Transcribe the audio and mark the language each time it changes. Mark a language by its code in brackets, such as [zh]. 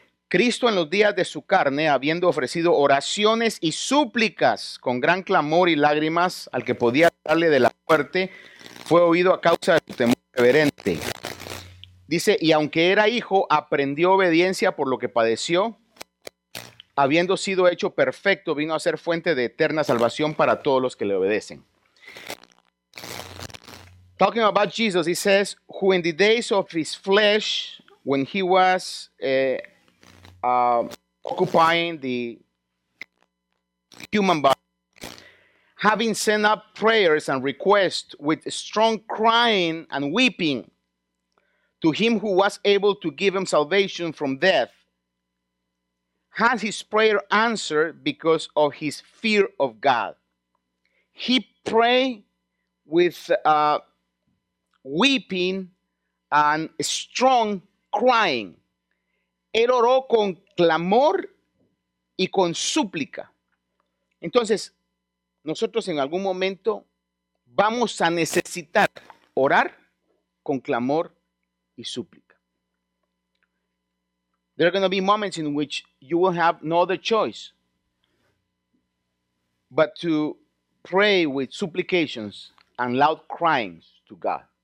[es] Cristo en los días de su carne, habiendo ofrecido oraciones y súplicas con gran clamor y lágrimas al que podía darle de la muerte, fue oído a causa de su temor reverente. Dice, y aunque era hijo, aprendió obediencia por lo que padeció. Habiendo sido hecho perfecto, vino a ser fuente de eterna salvación para todos los que le obedecen. [en] Talking about Jesus, he says, who in the days of his flesh, when he was occupying the human body, having sent up prayers and requests with strong crying and weeping to him who was able to give him salvation from death, has his prayer answered because of his fear of God. He pray with weeping and strong crying. [es] Él oró con clamor y con súplica. Entonces, nosotros en algún momento vamos a necesitar orar con clamor y súplica. [en] There are going to be moments in which you will have no other choice but to pray with supplications and loud cryings to God.